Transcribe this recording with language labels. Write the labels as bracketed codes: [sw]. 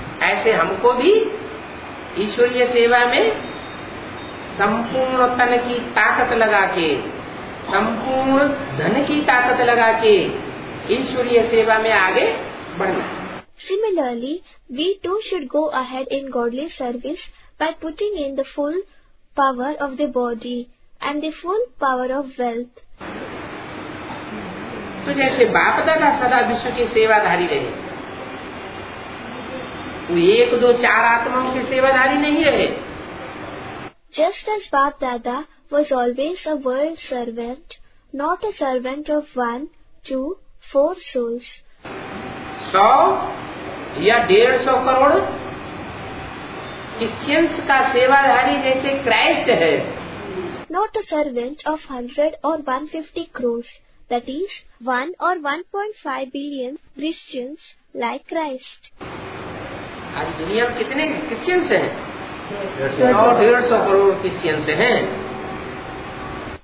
[hi] ऐसे हमको भी ईश्वरीय सेवा में संपूर्ण तन की ताकत लगा के, संपूर्ण धन की ताकत लगा के ईश्वरीय सेवा में आगे बढ़ना। [en] Similarly, we too should go ahead in godly service by putting in the full power of the body and the full power of wealth. [hi] तो जैसे बाप दादा सदा विश्व की सेवाधारी रहे, वो एक दो चार आत्माओं की सेवाधारी नहीं रहे। [en] Just as Bap Dada was always a world servant, not a servant of one, two, four souls. [hi] 100 या 150 करोड़ क्रिश्चियंस का सेवाधारी जैसे क्राइस्ट है। [en] Not a servant of 100 or 150 crores, that is 1 or 1.5 billion Christians like Christ. [hi] आज दुनिया में कितने क्रिश्चियंस हैं? 100 करोड़ क्रिश्चियंस हैं।